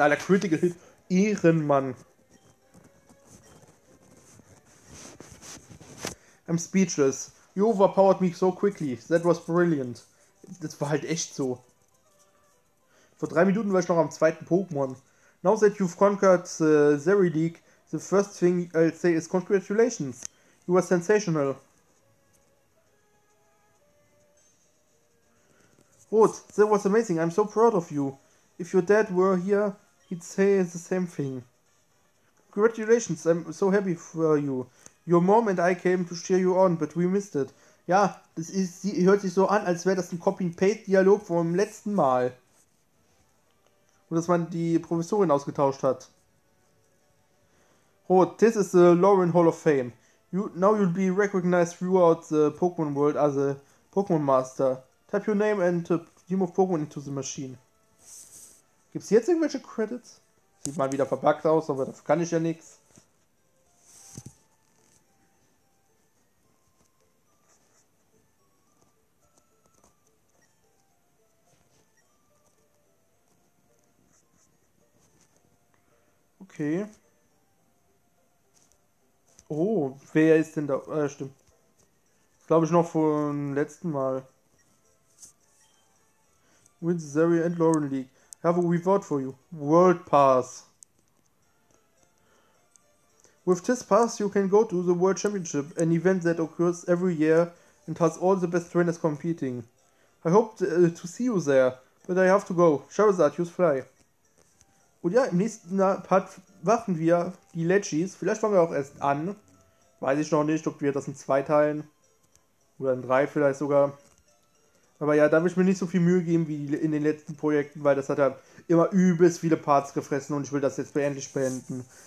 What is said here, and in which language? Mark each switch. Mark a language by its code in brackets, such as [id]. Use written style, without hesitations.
[de] Alter, Critical Hit. Ehrenmann. [en] I'm speechless. You overpowered me so quickly. That was brilliant. [de] Das war halt echt so. Vor 3 Minuten war ich noch am zweiten Pokémon. [en] Now that you've conquered Zeridig, the first thing I'll say is congratulations. You were sensational. Rot, that was amazing. I'm so proud of you. If your dad were here, he'd say the same thing. Congratulations, I'm so happy for you. Your mom and I came to cheer you on, but we missed it. [de] Ja, das ist, sie hört sich so an, als wäre das ein Copy-and-Paste-Dialog vom letzten Mal. Und dass man die Professorin ausgetauscht hat. [en] Rot, this is the Lauren Hall of Fame. You, now you'll be recognized throughout the Pokémon world as a Pokémon Master. Type your name and team of Pokémon into the machine. [de] Gibt's jetzt irgendwelche Credits? Sieht mal wieder verpackt aus, aber dafür kann ich ja nichts. Okay. Oh, wer ist denn da? Stimmt. Glaube ich noch vom letzten Mal. [en] Wins Zeri and Lauren League. Have a reward for you. World Pass. With this pass, you can go to the World Championship, an event that occurs every year and has all the best trainers competing. I hope to see you there, but I have to go. Charizard, use Fly. [de] Und ja, im nächsten Part warten wir die Legis. Vielleicht fangen wir auch erst an. Weiß ich noch nicht, ob wir das in 2 teilen. Oder in 3 vielleicht sogar. Aber ja, da will ich mir nicht so viel Mühe geben wie in den letzten Projekten, weil das hat ja immer übelst viele Parts gefressen und ich will das jetzt endlich beenden.